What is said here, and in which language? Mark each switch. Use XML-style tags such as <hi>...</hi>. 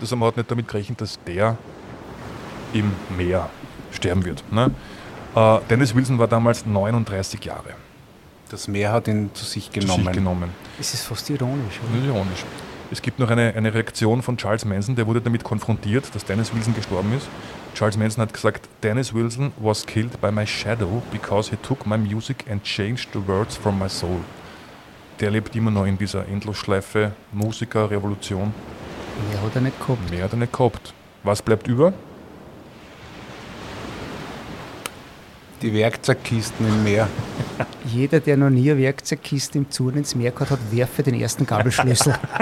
<de>Also man hat nicht damit gerechnet, dass der im Meer sterben wird. Ne? Dennis Wilson war damals 39 Jahre. Das Meer hat ihn zu sich genommen. Es ist fast ironisch. Oder? Ironisch. Es gibt noch eine Reaktion von Charles Manson, der wurde damit konfrontiert, dass Dennis Wilson gestorben ist.</de> <en>Charles Manson</en> <de>hat gesagt,</de> <en>Dennis Wilson was killed by my shadow because he took my music and changed the words from my soul.</en> <de>Der lebt immer noch in dieser Endlosschleife Musikerrevolution. Mehr hat er nicht gehabt. Mehr hat er nicht gehabt. Was bleibt über? Die Werkzeugkisten im Meer. Jeder, der noch nie eine Werkzeugkiste im Zug ins Meer gehabt hat, werfe den ersten Gabelschlüssel.</de>